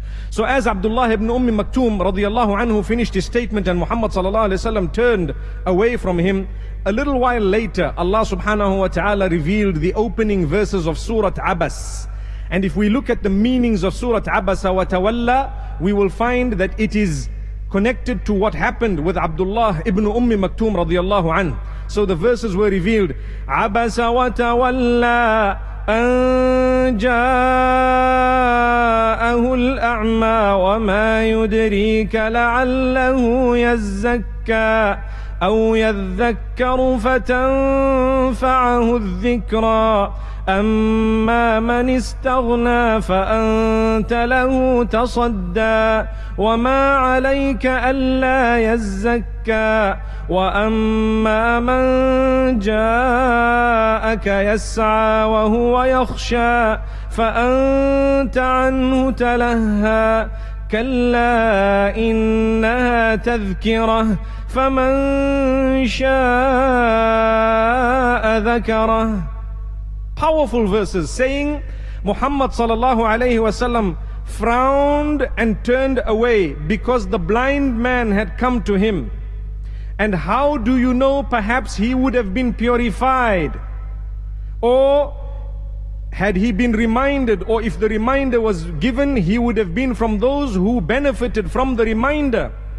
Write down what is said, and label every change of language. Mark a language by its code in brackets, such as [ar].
[en] So as Abdullah ibn Maktum radiyallahu anhu finished his statement and Muhammad sallallahu alayhi wa sallam turned away from him, a little while later Allah subhanahu wa ta'ala revealed the opening verses of Surah Abbas. And if we look at the meanings of Surah [ar] Abbas wa tawalla, [en] we will find that it is connected to what happened with Abdullah ibn Maktum radiyallahu anhu. So the verses were revealed, [ar] Abbas wa tawalla جاءه الأعمى وما يدريك لعله يزكى أو يذكر فتنفعه الذكرى أما من استغنى فأنت له تصدى وما عليك ألا يزكى وأما من جاءك يسعى وهو يخشى فأنت عنه تلهى كلا إنها تذكرة فمن شاء ذكره. [en] Powerful verses saying, Muhammad sallallahu alayhi wa sallam frowned and turned away because the blind man had come to him. And how do you know, perhaps he would have been purified, or had he been reminded, or if the reminder was given, he would have been from those who benefited from the reminder.